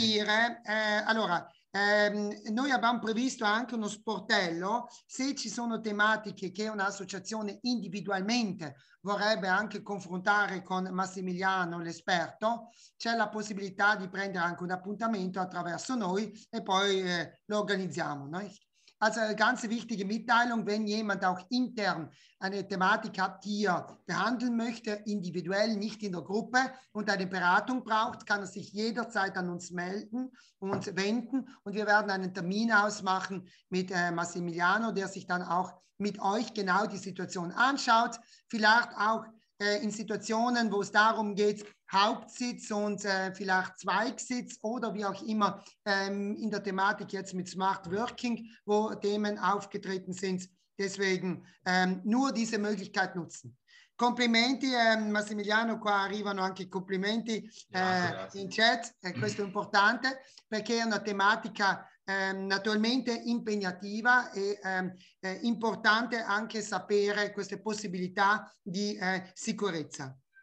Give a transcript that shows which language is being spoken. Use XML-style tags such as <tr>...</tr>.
<it>dire, allora, noi abbiamo previsto anche uno sportello, se ci sono tematiche che un'associazione individualmente vorrebbe anche confrontare con Massimiliano, l'esperto, c'è la possibilità di prendere anche un appuntamento attraverso noi e poi lo organizziamo. No?</it> <de>Also, ganz wichtige Mitteilung, wenn jemand auch intern eine Thematik hat, die er behandeln möchte, individuell, nicht in der Gruppe und eine Beratung braucht, kann er sich jederzeit an uns melden und wenden. Und wir werden einen Termin ausmachen mit Massimiliano, der sich dann auch mit euch genau die Situation anschaut. Vielleicht auch in Situationen, wo es darum geht, Hauptsitz und vielleicht Zweigsitz oder wie auch immer in der Thematik jetzt mit Smart Working, wo Themen aufgetreten sind. Deswegen nur diese Möglichkeit nutzen.</de> <it>Complimenti, Massimiliano, qua arrivano anche i complimenti Grazie, in chat, e questo è importante perché è una tematica naturalmente impegnativa e è importante anche sapere queste possibilità di sicurezza.</it>